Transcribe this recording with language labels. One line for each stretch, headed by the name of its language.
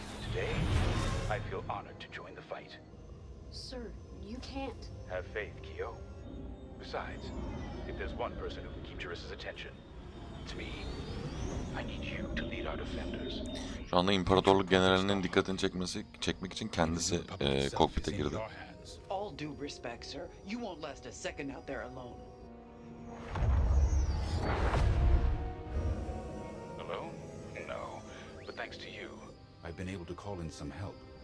English: Today, I feel honored to join the fight. Sir, you can't. Have faith, Kyo. Besides, if there's one person who can keep Jiris's attention, it's me. I need you to lead our defenders.
Turkish: Şu anda İmparatorluk Generalinin dikkatini çekmek için kendisi kokpite girdi.
English: All due respect, sir. You won't last a second out there alone. Alone? No. But thanks to you, I've been able to call in some help.